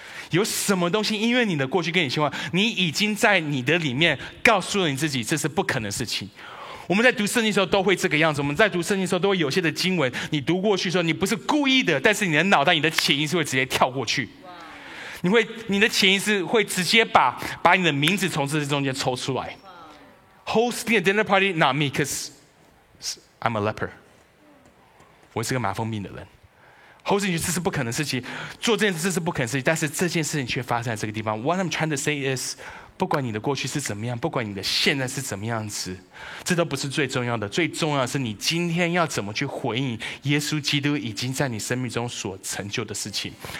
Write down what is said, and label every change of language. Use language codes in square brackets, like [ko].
[zh] 有什么东西因为你的过去跟你现况，你已经在你的里面告诉了你自己这是不可能的事情。我们在读圣经的时候都会这个样子，我们在读圣经的时候都会有些的经文，你读过去的时候你不是故意的，但是你的脑袋你的潜意识会直接跳过去。你的潜意识会直接把你的名字从这中间抽出来。 [en] Hosting a dinner party, not me, because I'm a leper. [zh] 我是个麻风病的人。Hosting, 这是不可能的事情。做这件事，这是不可能的事情。但是这件事情却发生在这个地方。 [en] What I'm trying to say is, [zh] 不管你的过去是怎么样，不管你的现在是怎么样子，这都不是最重要的。最重要的是你今天要怎么去回应耶稣基督已经在你生命中所成就的事情。